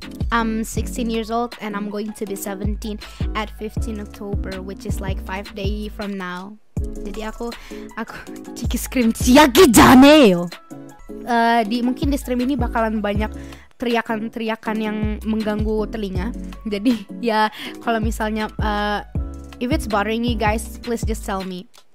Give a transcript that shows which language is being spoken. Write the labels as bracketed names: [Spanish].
[English] I'm 16 years old and I'm going to be 17 at 15 October, which is like 5 days from now. [Indonesian] Jadi aku Chiki scream Chiaki Janeo. Mungkin di stream ini bakalan banyak teriakan-teriakan yang mengganggu telinga. Jadi ya kalau misalnya [English] if it's bothering you guys, please just tell me.